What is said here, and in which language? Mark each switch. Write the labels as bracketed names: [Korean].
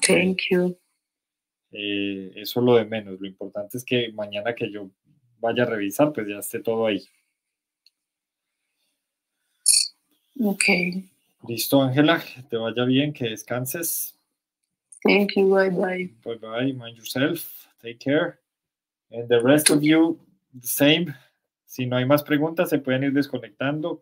[English] thank you. [Spanish] Eso es lo de menos. Lo importante es que mañana que yo vaya a revisar, pues ya esté todo ahí. [English] Ok. [Spanish] Listo, Ángela, que te vaya bien, que descanses. [English] Thank you, bye bye. Bye bye, mind yourself, take care. And the rest of you, the same. [Spanish] Si no hay más preguntas, se pueden ir desconectando.